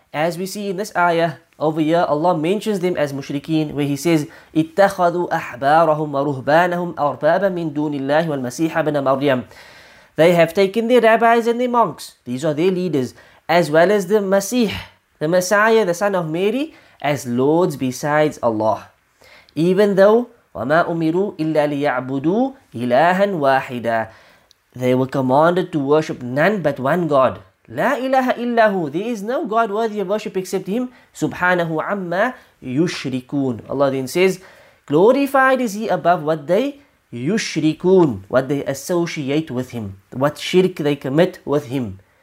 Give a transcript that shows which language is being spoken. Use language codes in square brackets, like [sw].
[en] As we see in this ayah over here, Allah mentions them as mushrikeen, where he says, [ar] اتخذوا أحبارهم ورهبانهم أربابا من دون الله والمسيح ابن مريم. [en] They have taken their rabbis and their monks, these are their leaders, as well as the Masih, the Messiah, the son of Mary, as lords besides Allah. Even though, [ar] وما أمروا إلا ليعبدوا إلها واحدا. [en] They were commanded to worship none but one God. [ar] لا إله إلا هو. [en] There is no God worthy of worship except Him. [ar] سبحانه عما يشركون. [en] Allah then says, glorified is He above what they يشركون, what they associate with Him, what shirk they commit with Him.